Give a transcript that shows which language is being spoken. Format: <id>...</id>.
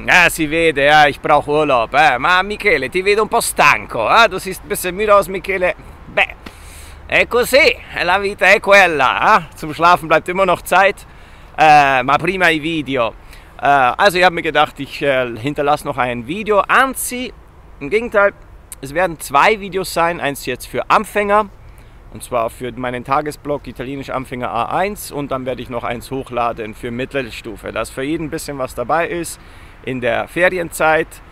<it>Si vede,</it> <de>ich brauche Urlaub.</de> <it>Ma Michele, ti vedo un po' stanco.</it> <de>Du siehst ein bisschen müde aus, Michele.</de> <it>Beh, è così, la vita è quella.</it> <de>Zum Schlafen bleibt immer noch Zeit.</de> <it>Ma prima i video.</it> <de>Also ich habe mir gedacht, ich hinterlasse noch ein Video. Anzi, im Gegenteil, es werden zwei Videos sein. Eins jetzt für Anfänger. Und zwar für meinen Tagesblog Italienisch Anfänger A1 und dann werde ich noch eins hochladen für Mittelstufe, dass für jeden ein bisschen was dabei ist in der Ferienzeit.</de>